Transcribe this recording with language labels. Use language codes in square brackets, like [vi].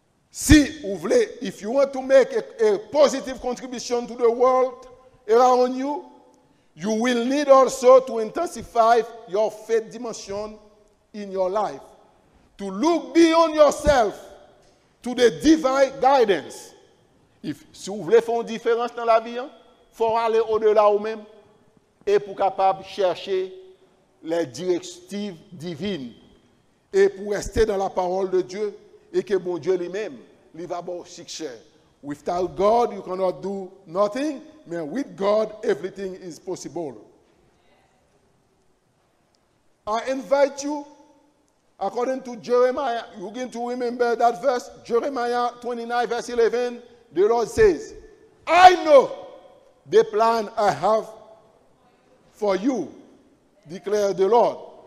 [fr] Si vous voulez, [en] if you want to make a positive contribution to the world around you, you will need also to intensify your faith dimension in your life. To look beyond yourself to the divine guidance. [fr] If si vous voulez faire une différence dans la vie, hein, faut aller au-delà vous-même et pour capable chercher les directives divines et pour rester dans la parole de Dieu et que bon Dieu lui-même [en] live about success. Without God, you cannot do nothing, but with God, everything is possible. I invite you, according to Jeremiah, you're going to remember that verse, Jeremiah 29, verse 11, the Lord says, I know the plan I have for you, declare the Lord.